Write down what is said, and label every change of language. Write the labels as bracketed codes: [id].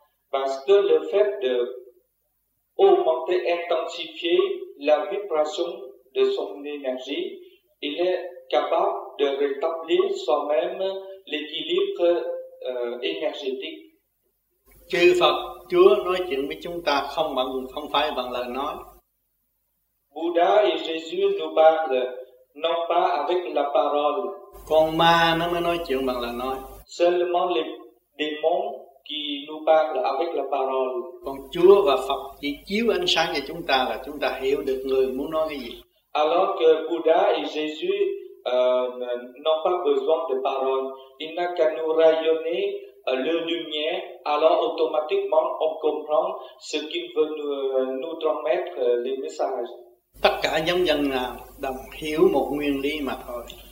[fr] Parce que le fait de augmenter, intensifier la vibration de son énergie, il est capable de rétablir soi-même l'équilibre énergétique. [vi] Chư Phật, Chúa nói chuyện với chúng ta không phải bằng lời nói. [fr] Bouddha et Jésus nous parlent non pas avec la parole. [vi] Còn ma nó mới nói chuyện bằng lời nói. [fr] Seulement les démons qui nous parle avec la parole. [vi] Còn Chúa và Phật chỉ chiếu ánh sáng cho chúng ta là chúng ta hiểu được người muốn nói cái gì. [fr] Alors que Bouddha et Jésus n'ont pas besoin de parole, il n'a qu'à nous rayonner le lumière, alors automatiquement on comprend ce qu'il veut nous transmettre les messages. [vi] Tất cả nhân dân là đồng hiểu một nguyên lý mà thôi.